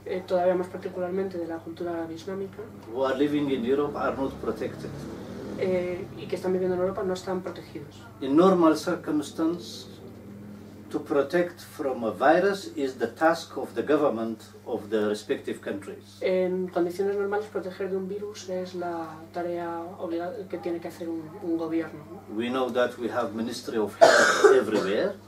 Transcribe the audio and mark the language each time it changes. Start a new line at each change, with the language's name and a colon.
Spanish: todavía más particularmente de la cultura árabe islámica,
English: who are living in Europe are not protected,
Spanish: y que están viviendo en Europa no están protegidos.
English: In normal circumstances, to protect from a virus is the task of the government of the respective countries.
Spanish: En condiciones normales, proteger de un virus es la tarea que tiene que hacer un gobierno.
English: We know that we have Ministry of Health everywhere.